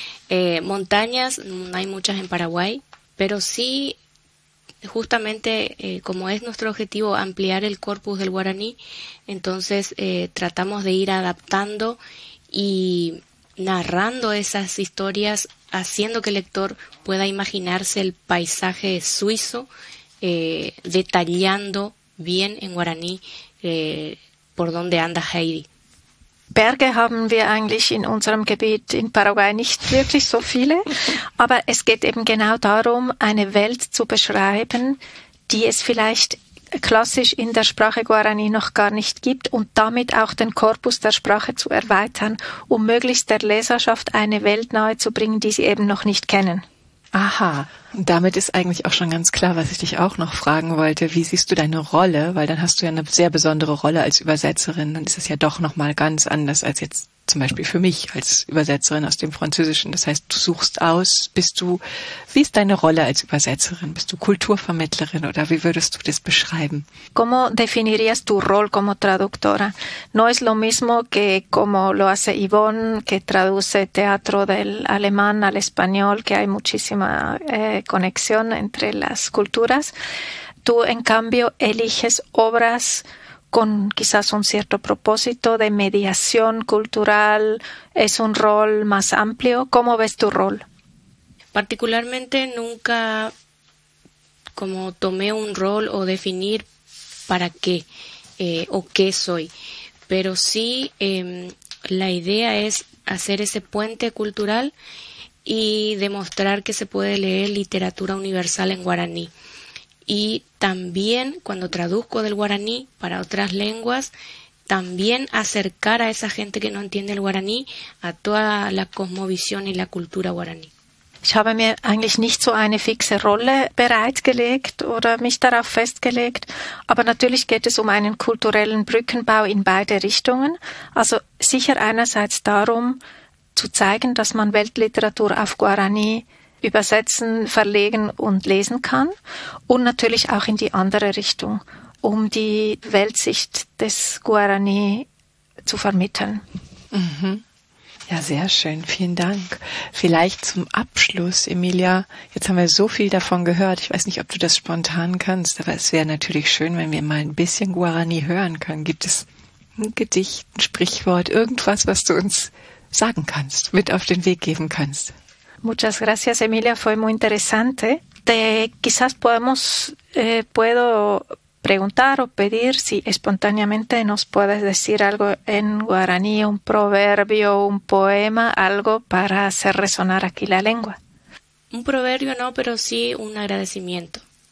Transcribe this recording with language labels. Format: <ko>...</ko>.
<es>Montañas, no hay muchas en Paraguay, pero sí, justamente como es nuestro objetivo ampliar el corpus del guaraní, entonces tratamos de ir adaptando y narrando esas historias, haciendo que el lector pueda imaginarse el paisaje suizo, detallando bien en guaraní por dónde anda Heidi.</es> <de>Berge haben wir eigentlich in unserem Gebiet in Paraguay nicht wirklich so viele. Aber es geht eben genau darum, eine Welt zu beschreiben, die es vielleicht klassisch in der Sprache Guarani noch gar nicht gibt und damit auch den Korpus der Sprache zu erweitern, um möglichst der Leserschaft eine Welt nahe zu bringen, die sie eben noch nicht kennen. Aha, und damit ist eigentlich auch schon ganz klar, was ich dich auch noch fragen wollte. Wie siehst du deine Rolle? Weil dann hast du ja eine sehr besondere Rolle als Übersetzerin. Dann ist es ja doch nochmal ganz anders als jetzt zum Beispiel für mich als Übersetzerin aus dem Französischen. Das heißt, du suchst aus, wie ist deine Rolle als Übersetzerin? Bist du Kulturvermittlerin oder wie würdest du das beschreiben?</de> <es>¿Cómo definirías tu rol como traductora? No es lo mismo que como lo hace Yvonne, que traduce teatro del alemán al español, que hay muchísima conexión entre las culturas. Tú, en cambio, eliges obras con quizás un cierto propósito de mediación cultural, es un rol más amplio. ¿Cómo ves tu rol? Particularmente nunca como tomé un rol o definir para qué o qué soy, pero sí la idea es hacer ese puente cultural y demostrar que se puede leer literatura universal en guaraní. Y también, cuando traduzco del guaraní para otras lenguas, también acercar a esa gente que no entiende el guaraní a toda la cosmovisión y la cultura guaraní.</es> <de>Ich habe mir eigentlich nicht so eine fixe Rolle bereitgelegt oder mich darauf festgelegt. Aber natürlich geht es um einen kulturellen Brückenbau in beide Richtungen. Also sicher einerseits darum, zu zeigen, dass man Weltliteratur auf Guarani übersetzen, verlegen und lesen kann und natürlich auch in die andere Richtung, um die Weltsicht des Guarani zu vermitteln. Mhm. Ja, sehr schön. Vielen Dank. Vielleicht zum Abschluss, Emilia. Jetzt haben wir so viel davon gehört. Ich weiß nicht, ob du das spontan kannst, aber es wäre natürlich schön, wenn wir mal ein bisschen Guarani hören können. Gibt es ein Gedicht, ein Sprichwort, irgendwas, was du uns sagen kannst, mit auf den Weg geben kannst?</de> <es>Muchas gracias, Emilia. Fue muy interesante. Quizás puedo preguntar o pedir si espontáneamente nos puedes decir algo en guaraní, un proverbio, un poema, algo para hacer resonar aquí la lengua. Un proverbio no, pero sí un agradecimiento.</es>